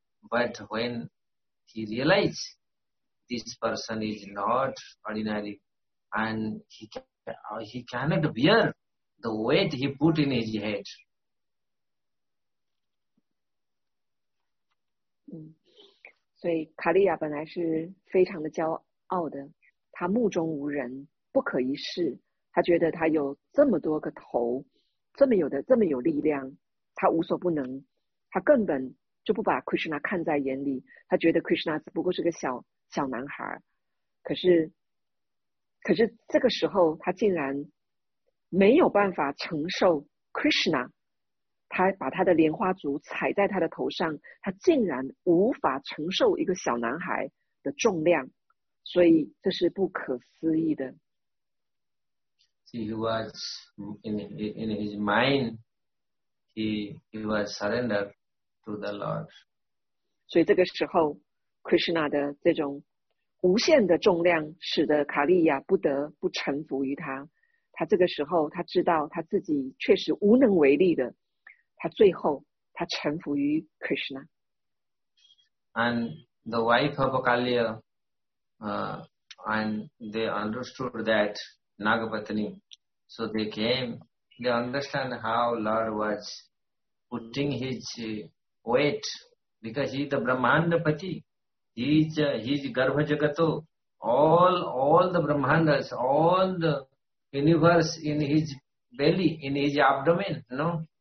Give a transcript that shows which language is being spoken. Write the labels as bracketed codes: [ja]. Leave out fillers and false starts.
[en] But when he realized this person is not ordinary and he cannot bear the weight he put in his head. [zh] 所以卡利亚本来是非常的骄傲的，他目中无人，不可一世。他觉得他有这么多个头，这么有力量，他无所不能。他根本就不把 Krishna 看在眼里，他觉得 Krishna 只不过是个小小男孩。可是这个时候，他竟然没有办法承受 Krishna。他把他的莲花足踩在他的头上，他竟然无法承受一个小男孩的重量，所以这是不可思议的。 [en] He was in his mind, he was surrendered to the Lord. [zh] 所以这个时候，Krishna 的这种无限的重量，使得卡利亚不得不臣服于他。他这个时候，他知道他自己确实无能为力的。他最后，他臣服于 Krishna。 [en] And the wife of Kaliya, and they understood that Nagapatni. So they came, they understand how Lord was putting his weight, because he is the Brahmandapati, he is Garbha Jagato, all the Brahmandas, all the universe in his belly, in his abdomen, you know.